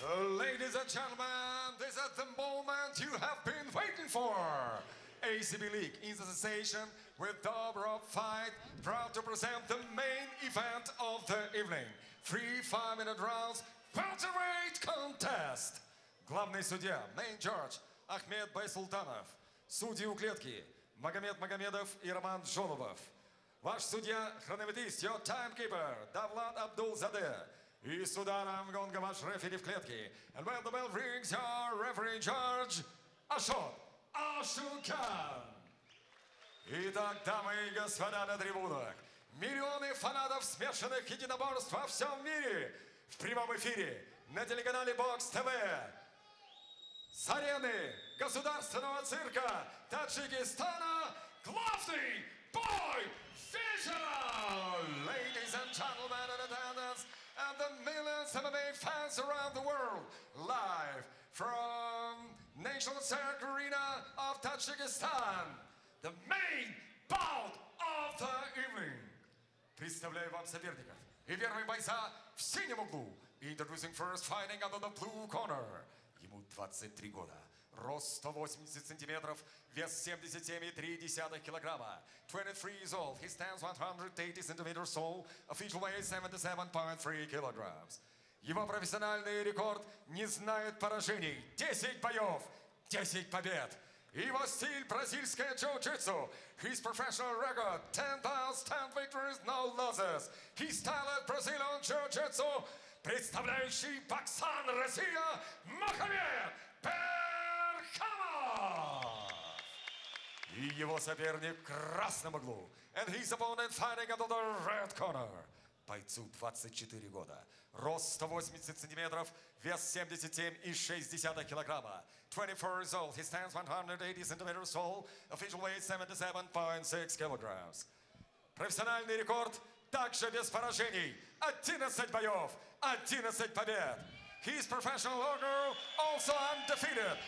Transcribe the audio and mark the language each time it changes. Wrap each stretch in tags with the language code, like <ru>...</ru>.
<en>Ladies and gentlemen, this is the moment you have been waiting for. ACB League in association with Dobro Fight, proud to present the main event of the evening. 3 5-minute rounds, welterweight contest.</en> <ru>Главный судья,</ru> <en>main judge,</en> <ru>Ахмед Байсултанов. Судьи у клетки, Магомед Магомедов и Роман Жоловов. ваш судья-хронометрист,</ru> <en>your timekeeper,</en> <ru>Давлат Абдулзаде. И с ударом гонга ваш рефери в клетке.</ru> <en>And when the bell rings, your referee in charge, Ашот Ашукан.</en> <ru>Итак, дамы и господа на трибунах, миллионы фанатов смешанных единоборств во всем мире в прямом эфире на телеканале Бокс ТВ. С арены государственного цирка Таджикистана главный бой вечера!</ru> <en>Ladies and gentlemen in attendance and the millions of MMA fans around the world live from National Cirque Arena of Tajikistan. The main bout of the evening.</en> <ru>Представляю вам соперников. И первый бойца в синем углу.</ru> <en>Introducing first, fighting under the blue corner.</en> <ru>Ему 23 года. Рост 180 сантиметров, вес 77,3 килограмма.</ru> <en>23 years old. He stands 180 centimeters tall. Official weight 77.3 kilograms.</en> <ru>Его профессиональный рекорд не знает поражений. 10 боев, 10 побед. Его стиль бразильское джиу-джитсу.</ru> <en>His professional record 10 bouts, 10 victories, no losses. His style at Brazilian jiu-jitsu.</en> <ru>Представляющий боксан Россия Мухамед Берхамов. И его соперник в красном углу.</ru> <en>And his opponent fighting under the red corner.</en> <ru>Бойцу 24 года. Рост 180 сантиметров, вес 77,6 килограмма.</ru> <en>24 years old, he stands 180 centimeters tall. Official weight 77.6 kilograms.</en> <ru>Профессиональный рекорд также без поражений. 11 боев, 11 побед.</ru> <en>His professional record also undefeated.</en>